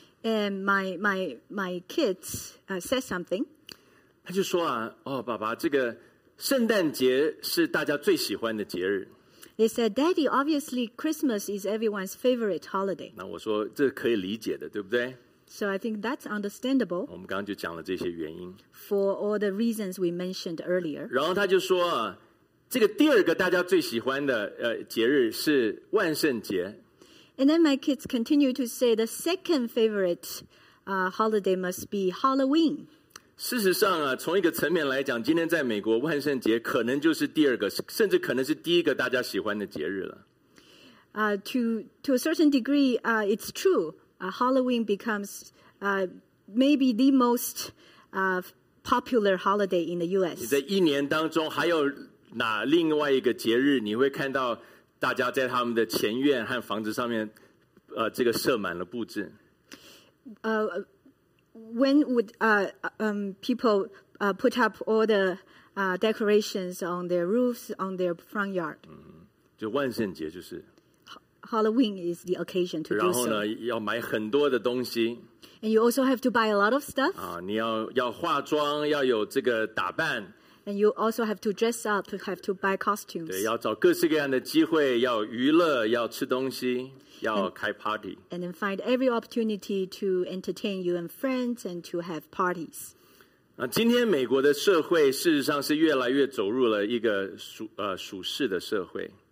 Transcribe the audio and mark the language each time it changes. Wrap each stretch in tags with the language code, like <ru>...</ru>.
<en>And my kids said something.</en> <zh>他就说啊, 哦, 爸爸, 这个圣诞节是大家最喜欢的节日。</zh> <en>They said, Daddy, obviously Christmas is everyone's favorite holiday.</en> <zh>那我说这可以理解的，对不对？</zh> <en>So I think that's understandable.</en> <zh>我们刚刚就讲了这些原因。</zh> <en>For all the reasons we mentioned earlier.</en> <zh>然后他就说，这个第二个大家最喜欢的节日是万圣节。</zh> <en>And then my kids continue to say the second favorite holiday must be Halloween.</en> <zh>事实上啊，从一个层面来讲，今天在美国万圣节可能就是第二个，甚至可能是第一个大家喜欢的节日了。</zh> <en>To a certain degree, it's true. Halloween becomes maybe the most popular holiday in the U.S.</en> <zh>你在一年当中还有哪另外一个节日你会看到大家在他们的前院和房子上面这个设满了布置？</zh> <en>When would people put up all the decorations on their roofs, on their front yard?</en> <zh>就万圣节就是。</zh> <en>Halloween is the occasion to do so.</en> <zh>然后呢，要买很多的东西。</zh> <en>And you also have to buy a lot of stuff.</en> <zh>你要化妆，要有这个打扮。</zh> <en>And you also have to dress up, have to buy costumes.</en> <zh>对，要找各式各样的机会，要娱乐，要吃东西。要开 party,</zh> <en>and then find every opportunity to entertain you and friends and to have parties.</en> <zh>今天美国的社会事实上是越来越走入了一个属世的社会。</zh>